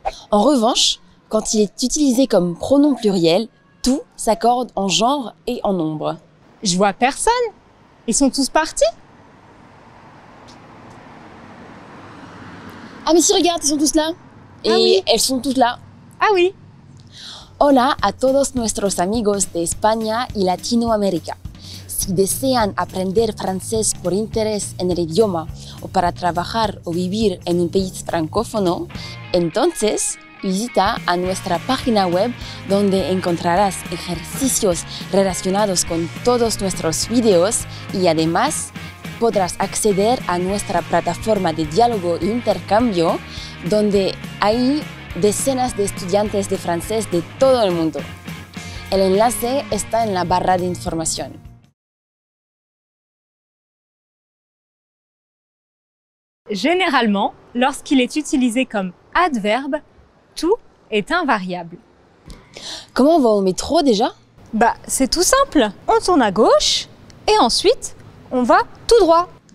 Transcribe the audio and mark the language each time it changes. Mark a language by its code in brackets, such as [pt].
[fr] En revanche, quand il est utilisé comme pronom pluriel, tout s'accorde en genre et en nombre. Je vois personne. Ils sont tous partis? Ah mais si, regarde, ils sont tous là. Et ah oui. Elles sont toutes là. Ah oui. [es] Hola a todos nuestros amigos de España y Latinoamérica. Si desean aprender francés por interés en el idioma o para trabajar o vivir en un país francófono, entonces visita a nuestra página web donde encontrarás ejercicios relacionados con todos nuestros videos y además podrás acceder a nuestra plataforma de diálogo e intercambio donde hay decenas de estudiantes de francés de todo el mundo. El enlace está en la barra de información. [fr] Généralement, lorsqu'il est utilisé comme adverbe, tout est invariable. Comment on va au métro déjà? Bah, c'est tout simple. On tourne à gauche et ensuite, on va tout droit.